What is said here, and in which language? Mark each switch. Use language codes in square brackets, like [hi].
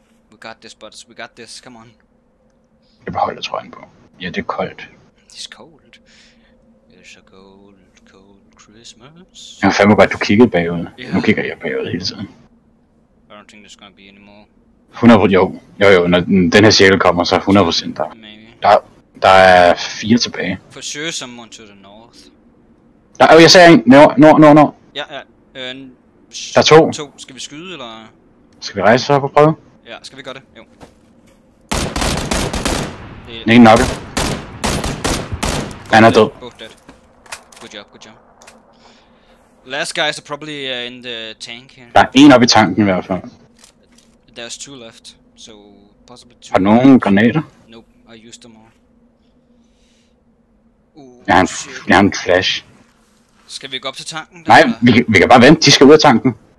[en] We got this, buds. We got this. Come on. [da] Jeg beholder trøjen på. Ja, det er koldt. [en] It's cold. It's a cold, cold Christmas. [da] Jeg fandme godt, du kiggede bagud. [en] Yeah. [da] Nu kigger jeg bagud hele tiden. [en] I don't think there's gonna be any more. [da] 100%, jo, når den her cirkel kommer, så 100% der. [en] Maybe. [da] Der er fire tilbage. [en] For sure someone to the north. [da] Der er jo, jeg sagde en, nord. Ja, ja. Der er to. To. Skal vi skyde, eller? Skal vi rejse så op og prøve? Ja, skal vi gøre det? Jo. Det er en nok. Han er død. [en] Both dead. Good job. Last guys are probably in the tank here. [da] Der er en oppe i tanken i hvert fald. [en] There's two left, so possibly two. [da] Har nogen left. Granater? [en] Nope, I used them all. [da] Jeg har en flash. Skal vi gå op til tanken? Nej, vi kan bare vente, de skal ud af tanken.